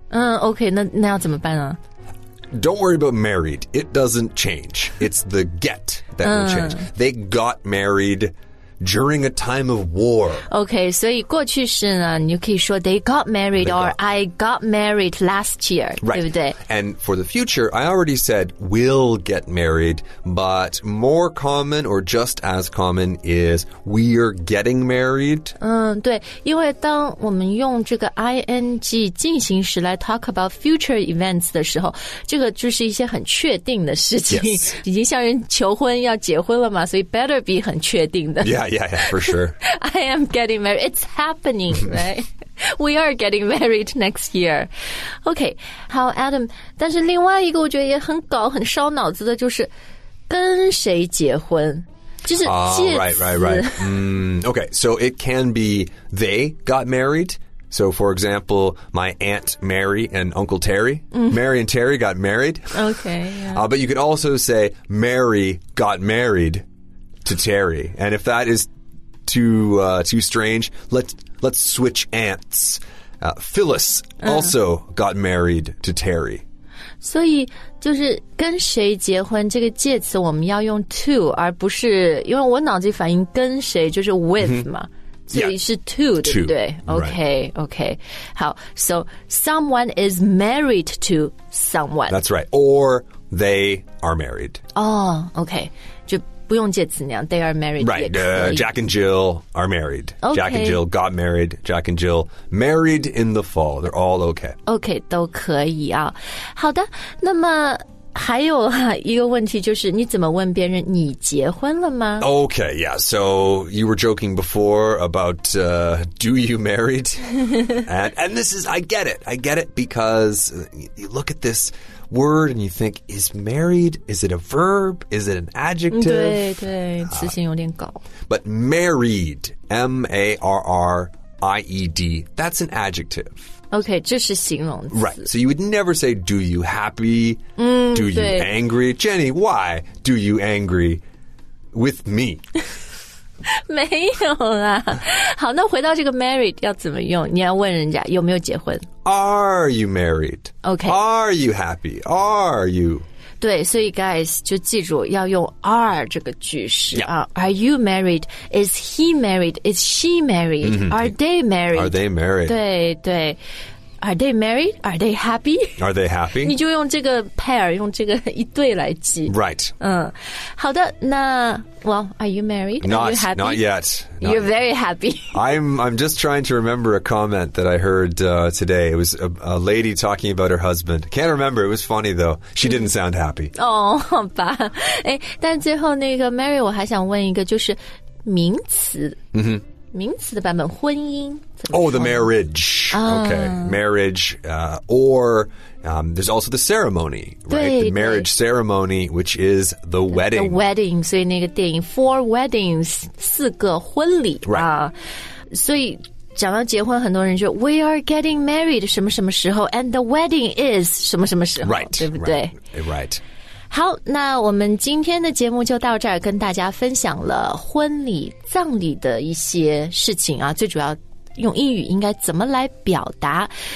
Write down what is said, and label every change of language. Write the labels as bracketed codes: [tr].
[zh] Okay, 那要怎么办呢、 [en] Don't worry about married. It doesn't change. It's the get that will change. They got married during a time of war. [zh] Okay, 所以过去式呢你可以说 [en] they got married they or got. I got married last year, right. [zh] 对不对 [en] And for the future, I already said we'll get married, but more common or just as common is we're getting married. [zh] 对因为当我们用这个 ing 进行时来 [en] talk about future events [zh] 的时候这个就是一些很确定的事情、 [en] yes. [zh] 已经向人求婚要结婚了嘛所以 [en] better be [zh] 很确定的、 [en] yeah. Yeah, yeah, for sure. I am getting married. It's happening, right? We are getting married next year. [zh] Okay, 好 Adam, 但是另外一个我觉得也很搞很烧脑子的就是跟谁结婚就是介词、 [en] Right. Okay, so it can be they got married. So for example, my Aunt Mary and Uncle Terry, Mary and Terry got married. Okay,、yeah. But you could also say Mary got marriedto Terry and if that is too strange let's switch aunts Phyllis also got married to Terry [zh] 所以就是跟谁结婚这个介词我们要用 to 而不是因为我脑子反应跟谁就是 with 嘛、所以是 to、 [en] yeah. [zh] 对不对 okay、 [en] right. okay [zh] 好 [en] so someone is married to someone that's right or they are married oh okay [zh] 不用介词那样 [en] they are married. Right,、Jack and Jill are married.、 Okay. Jack and Jill got married. Jack and Jill married in the fall. They're all okay. [zh] Okay, 都可以啊。好的，那么还有一个问题就是你怎么问别人你结婚了吗 [en] Okay, yeah. So you were joking before about, do you married? and this is, I get it because you look at this word and you think, is married, is it a verb? Is it an adjective? [zh] 对对词性有点搞。 [en] But married, M-A-R-R-I-E-D, that's an adjective. [zh] Okay, 这是形容词。 [en] Right, so you would never say, do you happy? Do you angry? Jenny, why do you angry with me? [zh] 没有啦。好，那回到这个 married 要怎么用？你要问人家有没有结婚。 [en] Are you married? Okay. Are you happy? Are you... [zh] 对所以 guys 就记住要用 are 这个句式、 [en] yeah. Are you married? Is he married? Is she married?、 Mm-hmm. Are they married? Are they married? [zh] 对对 [en] Are they married? Are they happy? Are they happy? [zh] 你就用这个 pair 用这个一对来记 [en] Right、 [zh] 好的那 [en] Well, are you married? Not, are you happy? Not yet not You're very happy I'm just trying to remember a comment that I heard、today It was a lady talking about her husband Can't remember, it was funny though She didn't sound happy [zh] 哦、好吧诶但最后那个 Mary 我还想问一个就是名词嗯哼、mm-hmm. 名词的版本婚姻 [en] Oh, the marriage、Okay, marriage or、there's also the ceremony right? The marriage ceremony which is the wedding The wedding [zh] 所以那个电影 [en] Four weddings [zh] 四个婚礼 [en] Right、 [zh] 所以讲到结婚很多人就 [en] We are getting married [zh] 什么什么时候 [en] And the wedding is [zh] 什么什么时候 [en] Right [zh] 对不对 [en] Right [zh] 好那我们今天的节目就到这儿跟大家分享了婚礼葬礼的一些事情啊最主要用英语应该怎么来表达。